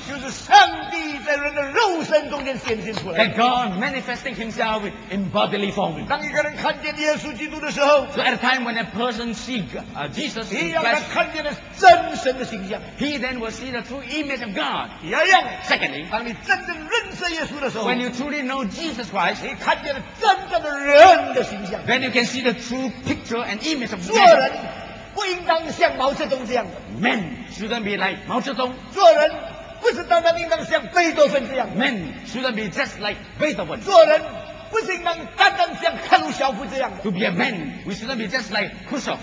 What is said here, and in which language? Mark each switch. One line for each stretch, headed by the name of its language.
Chinese: 就是上帝在人的肉身中间显现出来
English: that God manifesting himself in bodily form.
Chinese: 当一个人看见耶稣基督的时候
English: So at a time when a person sees Jesus,
Chinese: 一样他看见的真神的形象
English: He then will see the true image of God.
Chinese: 一样
English: Secondly,
Chinese: 当你真正认识耶稣的时候
English: When you truly know Jesus Christ,
Chinese: 你看见了真正的人的形象
English: Then you can see the true picture and image of God.
Chinese: 做人不应当像毛泽东这样的
English: Men shouldn't be like 毛泽东
Chinese: 做人不是单单应当像贝多芬这样的
English: Men shouldn't be just like Beethoven.
Chinese: 做人不是应当单单像克鲁晓夫这样的
English: To be a man, we shouldn't be just like Khrushchev.